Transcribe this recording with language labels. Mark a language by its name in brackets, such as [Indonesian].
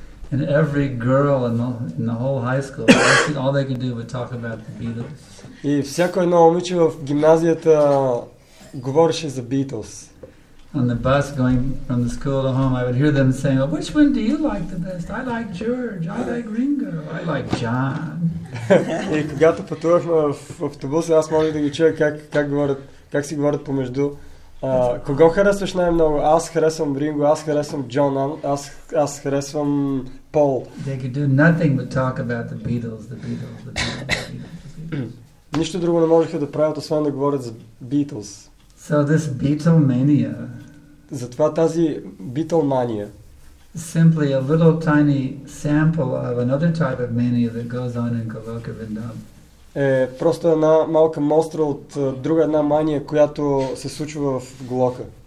[English] And every girl in the whole high school, all they could do was talk about the Beatles. [Bulgarian] И всяко едно момиче в гимназията говореше за Beatles. [English] On the bus going from the school to home, I would hear them saying, oh, which one do you like the best? I like George, I like Ringo, I like John. [Bulgarian] И когато пътувахме в автобуса, аз мога да ги чуя как си говорят помежду. Кого харесваш най-много? Аз харесвам Ринго, аз харесвам Джон, аз харесвам Пол. [English] They could do nothing but talk about the Beatles, the Beatles, the Beatles, the Beatles. [Bulgarian] Нищо друго не можеха да правят, освен да говорят за Beatles. [English] So this Beatlemania. [Bulgarian] Затова тази Beatlemania. [English] Simply a little tiny sample of another type of mania that goes on in Goloka Vrindavan. [Bulgarian] Е просто една малка мостра от друга една мания, която се случва в Голока.